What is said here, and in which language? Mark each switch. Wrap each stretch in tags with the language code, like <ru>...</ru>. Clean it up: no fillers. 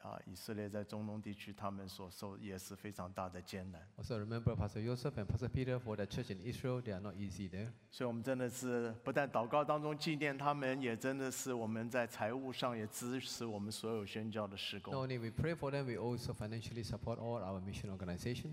<zh>以色列在中东地区，他们所受也是非常大的艰难。</zh> <en>Also remember Pastor Joseph and Pastor Peter for the church in Israel, they are not easy there.</en> <zh>所以我们真的是不但祷告当中纪念他们，也真的是我们在财务上也支持我们所有宣教的事工。</zh> <en>Not only we pray for them, we also financially support all our mission organizations.</en>